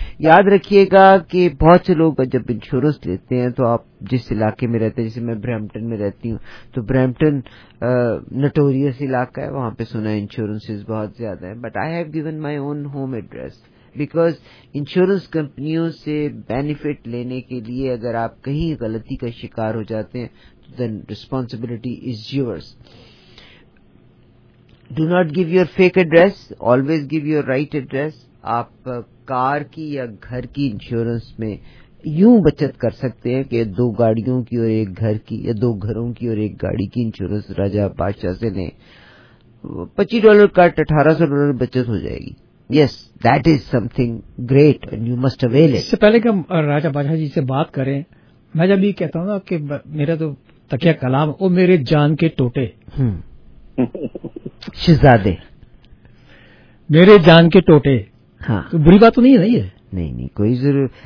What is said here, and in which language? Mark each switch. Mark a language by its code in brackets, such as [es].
[ur] یاد رکھیے گا کہ بہت سے لوگ جب انشورنس لیتے ہیں تو آپ جس علاقے میں رہتے ہیں, جیسے میں برمپٹن میں رہتی ہوں, تو برمپٹن نٹوریس علاقہ ہے, وہاں پہ سنا انشورنسز بہت زیادہ ہیں, [en] but I have given my own home address, [ur] because insurance کمپنیوں سے بینیفٹ لینے کے لیے اگر آپ کہیں غلطی کا شکار ہو جاتے ہیں, [en] then responsibility is yours. Do not give your fake address, always give your right address. [ur] آپ کار کی یا گھر کی انشورنس میں یوں بچت کر سکتے ہیں کہ دو گاڑیوں کی اور ایک گھر کی, یا دو گھروں کی اور ایک گاڑی کی انشورنس راجہ بادشاہ سے لیں, $25 کٹ, $1800 بچت ہو جائے گی. [en] Yes, that is something great and you must avail it. [ur] اس سے پہلے کہ ہم راجہ بادشاہ جی سے بات کریں, میں جب یہ کہتا ہوں نا کہ میرا تو تکیہ کلام, او میرے جان کے ٹوٹے شہزادے, میرے جان کے ٹوٹے, ہاں تو بری بات تو نہیں ہے, نہیں ہے, نہیں نہیں کوئی ضرور.